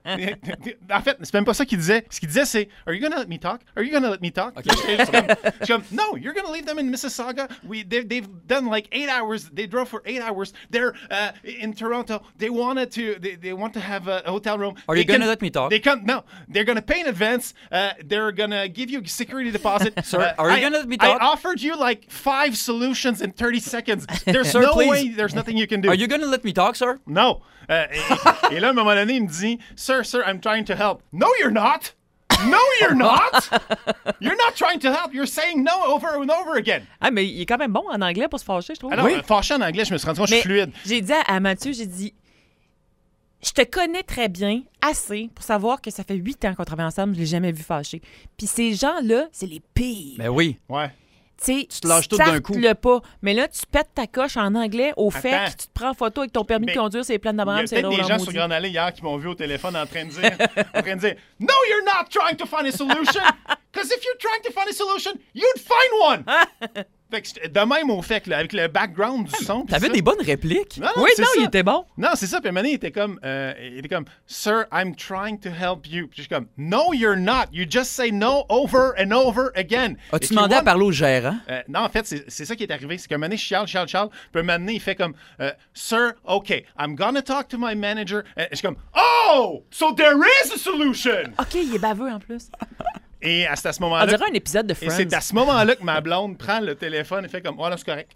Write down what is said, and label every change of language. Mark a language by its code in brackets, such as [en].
[fr] En fait, c'est même pas ça qu'il disait. Ce qu'il disait, c'est « [en] Are you gonna let me talk? Are you gonna let me talk? » Okay. [fr] Je suis comme [en] « No, you're gonna leave them in Mississauga? They've done like 8 hours. They drove for 8 hours. They're in Toronto. They want to have a hotel room. Are you gonna let me talk? They're gonna pay in advance. They're gonna give you a security deposit. Sir, are you gonna let me talk? I offered you like 5 solutions in 30 seconds. There's no way there's nothing you can do. Are you gonna let me talk, sir? [fr] No. Et là, à un moment donné, il me dit, [en] Sir, I'm trying to help. No, you're not. You're not trying to help. You're saying no over and over again. [fr] Ah, mais il est quand même bon en anglais pour se fâcher, je trouve. Alors, oui. Fâché en anglais, je me suis rendu compte que je suis fluide. J'ai dit à Mathieu, j'ai dit, je te connais très bien, assez, pour savoir que ça fait 8 ans qu'on travaille ensemble, je ne l'ai jamais vu fâché. Puis ces gens-là, c'est les pires. Ben oui. Ouais. T'sais, tu te lâches tout d'un coup. Le pas. Mais là, tu pètes ta coche en anglais au fait que tu te prends photo avec ton permis de conduire, c'est plein d'abraham, c'est drôle. Il y a peut-être des gens sur Grand Allée hier qui m'ont vu au téléphone en train de dire, [en] No, you're not trying to find a solution. Because if you're trying to find a solution, you'd find one. [fr] Fait que de même au fait, là, avec le background du son. T'avais des bonnes répliques. Non, il était bon. Non, c'est ça. Puis Mané, il était comme, [en] Sir, I'm trying to help you. [fr] Puis je suis comme, [en] No, you're not. You just say no over and over again. [fr] As-tu demandé à parler au gérant? Non, en fait, c'est ça qui est arrivé. C'est que Mané, Charles. Puis Mané, il fait comme, [en] Sir, OK, I'm gonna talk to my manager. [fr] Et je suis comme, [en] Oh, so there is a solution. [fr] OK, il est baveux en plus. Et c'est à ce moment-là... On dirait un épisode de Friends. Et c'est à ce moment-là que ma blonde prend le téléphone et fait comme, « Oh, là, c'est correct.